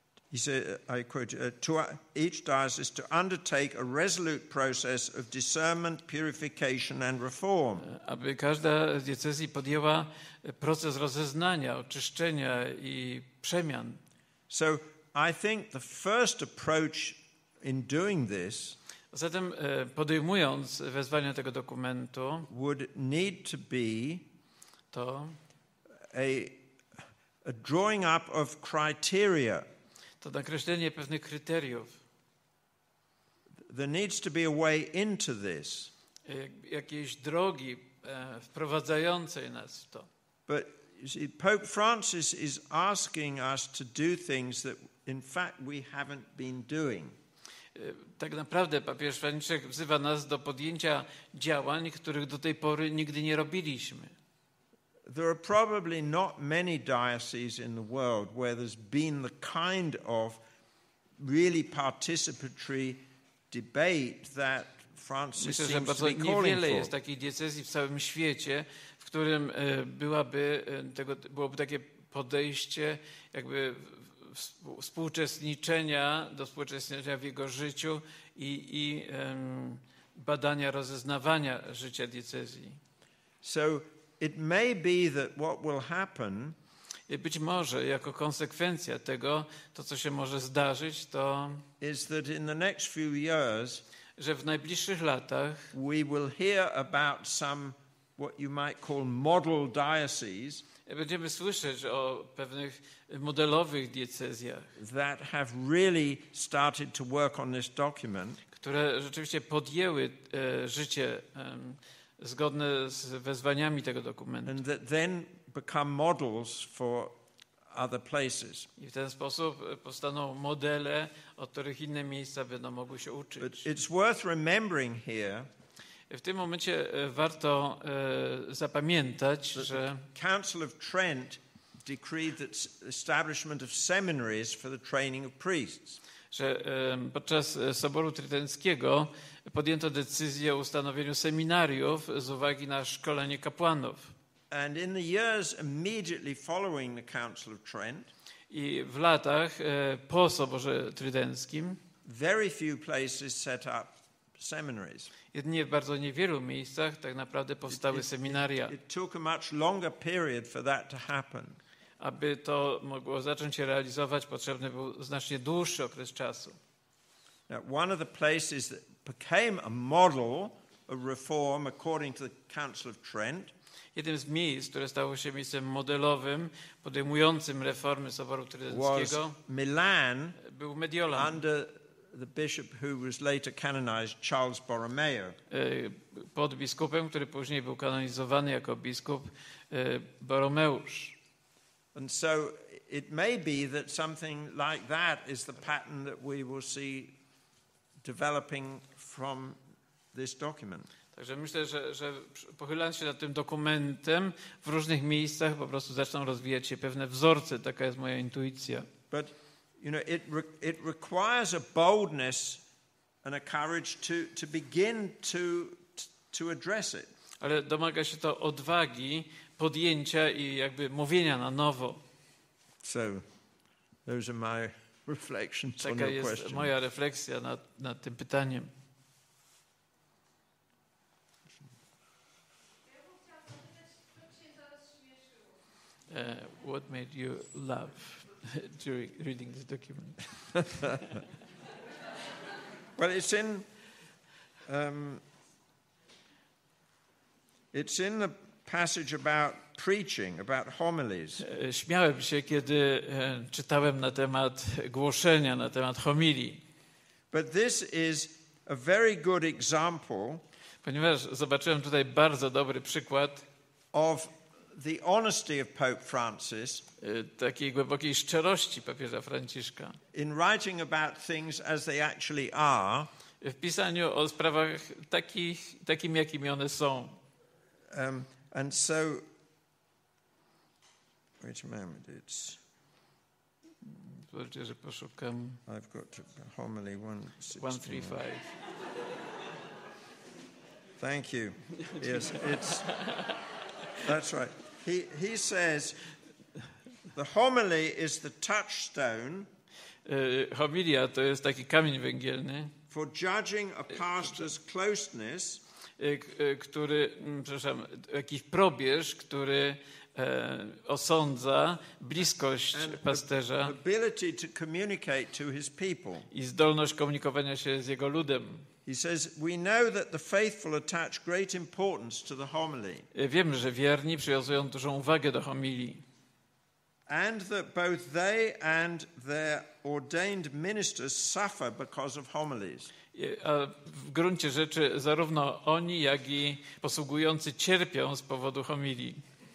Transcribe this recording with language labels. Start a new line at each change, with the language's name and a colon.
English: He said, I quote, to each diocese to undertake a resolute process of discernment, purification and reform.
Polish: Aby każda z diecezji podjęła proces rozeznania, oczyszczenia i przemian.
English: So I think the first approach in doing this,
Polish: zatem podejmując wezwanie tego dokumentu,
English: would need to be to a drawing up of criteria.
Polish: To nakreślenie pewnych kryteriów.
English: There needs to be a way into this.
Polish: Jakiejś drogi wprowadzającej nas w to.
English: But you see, Pope Francis is asking us to do things that in fact we haven't been doing.
Polish: Tak naprawdę papież Franciszek wzywa nas do podjęcia działań, których do tej pory nigdy nie robiliśmy.
English: There are probably not many dioceses in the world where there's been the kind of really participatory debate that Francis seems to be calling for.
Polish: Myślę, że bardzo niewiele jest takich diecezji w całym świecie, w którym byłoby takie podejście jakby współuczestniczenia w jego życiu i badania, rozeznawania życia diecezji.
English: So it may be that what will happen,
Polish: być może jako konsekwencja tego, to co się może zdarzyć, to
English: is that in the next few years,
Polish: że w najbliższych latach,
English: we will hear about some what you might call model dioceses,
Polish: będziemy słyszeć o pewnych modelowych diecezjach,
English: that have really started to work on this document,
Polish: które rzeczywiście podjęły życie zgodne z wezwaniami tego dokumentu.
English: And that then become models for other places.
Polish: I w ten sposób powstaną modele, od których inne miejsca będą mogły się uczyć.
English: But it's worth remembering here.
Polish: W tym momencie warto zapamiętać, że
English: Council of Trent decreed that establishment of seminaries for the training of priests.
Polish: Że podczas Soboru Trydenckiego podjęto decyzję o ustanowieniu seminariów z uwagi na szkolenie kapłanów.
English: And in the years immediately following the Council of Trent,
Polish: i w latach po Soborze Trydenckim,
English: very few places set up seminaries.
Polish: Jedynie w bardzo niewielu miejscach tak naprawdę powstały seminaria.
English: It took a much longer period for that to happen.
Polish: Aby to mogło zacząć się realizować, potrzebny był znacznie dłuższy okres czasu.
English: Now, one of the places that became a model of reform according to the Council of Trent.
Polish: Jednym z miejsc, które stało się miejscem modelowym, podejmującym reformy Soboru Trydenckiego,
English: Milan,
Polish: był Mediolan.
English: Under the bishop who was later canonized, Charles Borromeo.
Polish: Pod biskupem, który później był kanonizowany jako biskup Borromeusz.
English: And so it may be that something like that is the pattern that we will see developing from this document.
Polish: Także myślę, że pochylając się nad tym dokumentem, w różnych miejscach po prostu zaczną rozwijać się pewne wzorce, taka jest moja intuicja.
English: But you know, it requires a boldness and a courage to begin to address it.
Polish: Ale domaga się to odwagi, podjęcia i jakby mówienia na nowo.
English: So, those are my reflections
Polish: taka
English: on your
Polish: jest
English: question.
Polish: Moja refleksja nad tym pytaniem.
English: What made you laugh during reading the document? Well, it's in the passage about preaching, about homilies.
Polish: Śmiałem się, kiedy czytałem na temat głoszenia, na temat homilii.
English: But this is a very good example.
Polish: Ponieważ zobaczyłem tutaj bardzo dobry przykład
English: of the honesty of Pope Francis,
Polish: takiej głębokiej szczerości papieża Franciszka,
English: in writing about things as they actually are,
Polish: w pisaniu o sprawach takimi, jakimi one są.
English: And so, wait a moment, it's...
Polish: Zobaczcie, że poszukam...
English: I've got a homily, 135. Thank you. Yes, it's... That's right. He says the homily is the touchstone.
Polish: Homilia to jest taki kamień węgielny.
English: For judging a pastor's closeness,
Polish: który, przepraszam, jakiś probierz, który osądza bliskość pasterza.
English: Ability to communicate to his people.
Polish: I zdolność komunikowania się z jego ludem.
English: He says, we know that the faithful attach great importance to the homily.
Polish: Wiemy, że wierni przywiązują dużą uwagę do homilii.
English: And that both they and their ordained ministers suffer because of homilies.
Polish: A w gruncie rzeczy zarówno oni, jak i posługujący cierpią z powodu homilii.